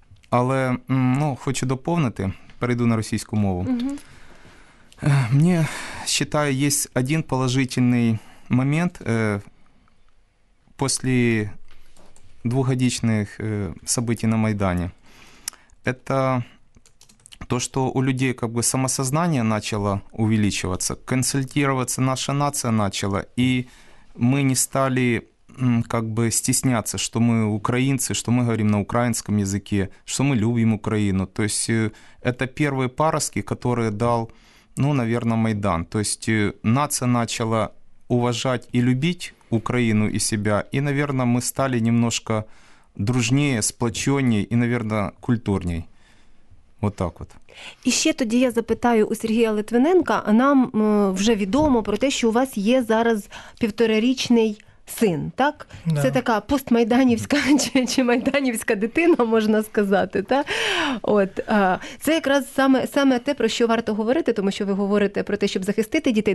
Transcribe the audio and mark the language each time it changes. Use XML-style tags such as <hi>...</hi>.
<uk>Але, ну, хочу доповнити, перейду на російську мову. Угу. Мені, вважаю, є один</uk> <ru>положительний момент</ru> <uk>після двохгодичних</uk> <ru>событий</ru> <uk>на Майдані. Це</uk> <ru>то, что у людей как бы самосознание начало увеличиваться, консолидироваться наша нация начала, и мы не стали как бы стесняться, что мы украинцы, что мы говорим на украинском языке, что мы любим Украину. То есть это первые паростки, которые дал, ну, наверное, Майдан. То есть нация начала уважать и любить Украину и себя, и, наверное, мы стали немножко дружнее, сплоченнее и, наверное, культурнее. Вот так вот.</ru> <uk>І ще тоді я запитаю у Сергія Литвиненка. Нам вже відомо про те, що у вас є зараз півторарічний син, так?</uk> <ru>Да.</ru> <uk>Це така постмайданівська чи майданівська дитина, можна сказати, так? От, це якраз саме те, про що варто говорити, тому що ви говорите про те, щоб захистити дітей.</uk>